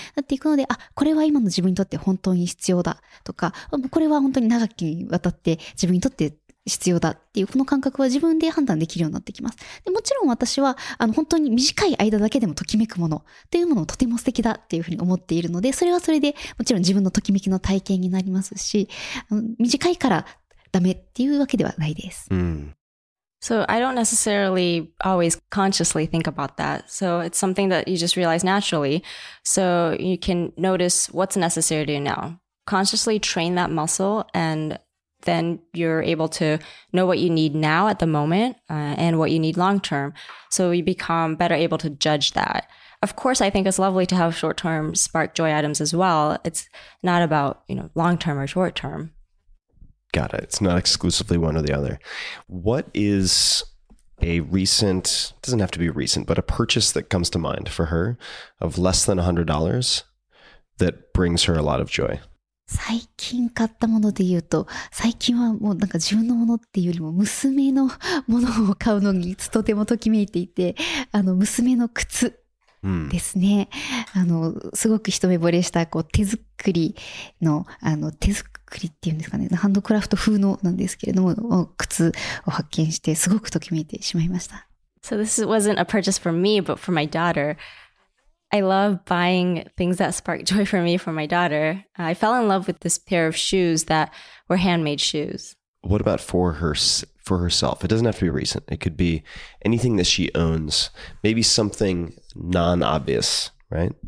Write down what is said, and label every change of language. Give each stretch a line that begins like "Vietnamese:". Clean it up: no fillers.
Japanese: なっていくので、あ、これは今の自分にとって本当に必要だとか、これは本当に長きにわたって自分にとって必要だっていうこの感覚は自分で判断できるようになってきます。でもちろん私は本当に短い間だけでもときめくものというものもとても素敵だっていうふうに思っているので、それはそれでもちろん自分のときめきの体験になりますし、短いからダメっていうわけではないです。うん、
English: So I don't necessarily always consciously think about that. So it's something that you just realize naturally. So you can notice what's necessary to you now. Consciously train that muscle andthen you're able to know what you need now at the moment, and what you need long term. So we become better able to judge that. Of course, I think it's lovely to have short term spark joy items as well. It's not about, you know, long term or short term. Got it. It's not exclusively one or the other. What is a recent, doesn't have to be recent, but a purchase that comes to mind for her of less than $100 that brings her a lot of joy?
Japanese: 最近買ったもので言うと、最近はもうなんか自分のものっていうよりも娘のものを買うのにとてもときめいていて、娘の靴ですね、うん、すごく一目惚れしたこう手作りの、手作りっていうんですかね、ハンドクラフト風のなんですけれども靴を発見してすごくときめいてしまいました。
English: So this wasn't a purchase for me, but for my daughter. I love buying things that spark joy for me for my daughter. I fell in love with this pair of shoes that were handmade shoes. What about for herself? It doesn't have to be recent. It could be anything that she owns, maybe something non-obvious, right?